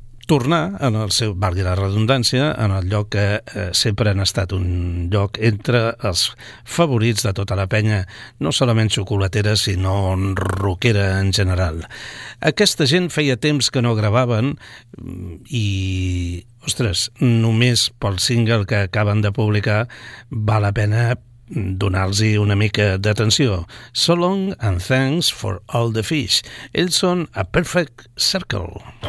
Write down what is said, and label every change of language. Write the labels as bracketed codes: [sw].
[ca] tornar en el seu, valgui la redundància, en el lloc que sempre han estat, un lloc entre els favorits de tota la penya, no solament xocolatera, sinó rockera en general. Aquesta gent feia temps que no gravaven i, ostres, només pel single que acaben de publicar val la pena donar-los una mica d'atenció. [en] So long and thanks for all the fish. [ca] Ells són A Perfect Circle.